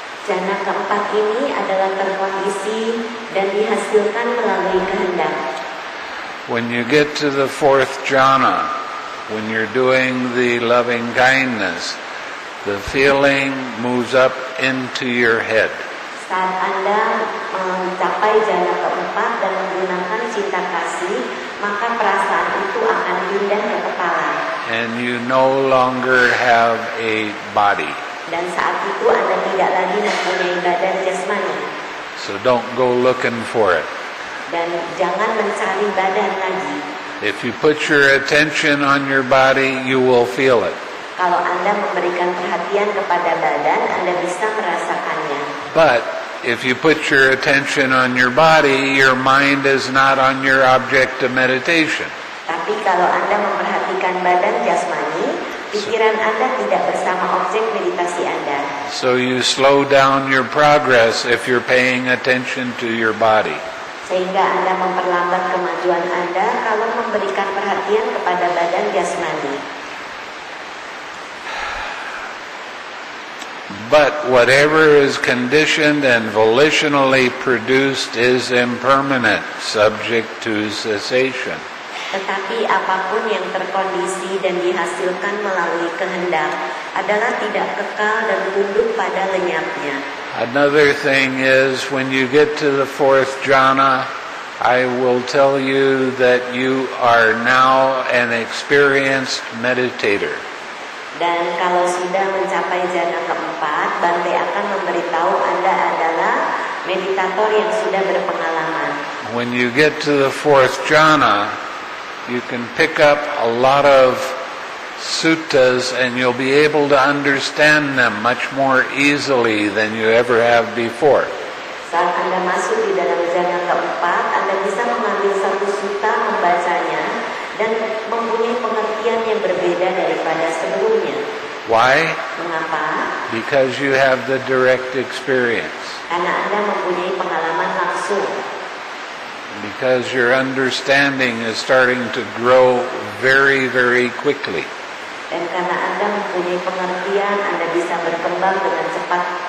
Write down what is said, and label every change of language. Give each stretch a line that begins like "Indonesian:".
Indonesian: Jhana keempat ini adalah terkondisi dan dihasilkan melalui kehendak.
English: When you get to the fourth jhana, when you're doing the loving kindness, the feeling moves up into your head.
Indonesian: Saat Anda mencapai jhana keempat dan menggunakan cinta kasih, maka perasaan itu akan pindah ke kepala.
English: And you no longer have a body.
Indonesian: Dan saat itu Anda tidak lagi mempunyai badan jasmani.
English: So so don't go looking for it.
Indonesian: Dan jangan mencari badan lagi.
English: If you put your attention on your body, you will feel it.
Indonesian: Kalau Anda memberikan perhatian kepada badan, Anda bisa merasakannya.
English: But if you put your attention on your body, your mind is not on your object of meditation.
Indonesian: Tapi kalau Anda memperhatikan badan jasmani, pikiran Anda tidak bersama objek meditasi Anda.
English: So you slow down your progress if you're paying attention to your body.
Indonesian: Sehingga Anda memperlambat kemajuan Anda kalau memberikan perhatian kepada badan jasmani.
English: But whatever is conditioned and volitionally produced is impermanent, subject to cessation.
Indonesian: Tetapi apapun yang terkondisi dan dihasilkan melalui kehendak adalah tidak kekal dan tunduk pada lenyapnya.
English: Another thing is, when you get to the fourth jhana, I will tell you that you are now an experienced meditator.
Indonesian: Dan kalau sudah mencapai jhana keempat, Bante akan memberitahu Anda adalah meditator yang sudah berpengalaman.
English: When you get to the fourth jhana, you can pick up a lot of suttas and you'll be able to understand them much more easily than you ever have before.
Indonesian: Saat Anda masuk di dalam jhana keempat, Anda bisa mengambil satu sutta, membacanya, dan mempunyai pengertian yang berbeda daripada sebelumnya.
English: Why?
Indonesian: Mengapa?
English: Because you have the direct experience.
Indonesian: Karena Anda mempunyai pengalaman langsung.
English: Because your understanding is starting to grow very, very quickly.
Indonesian: Dan karena Anda mempunyai pengertian, Anda bisa berkembang dengan cepat.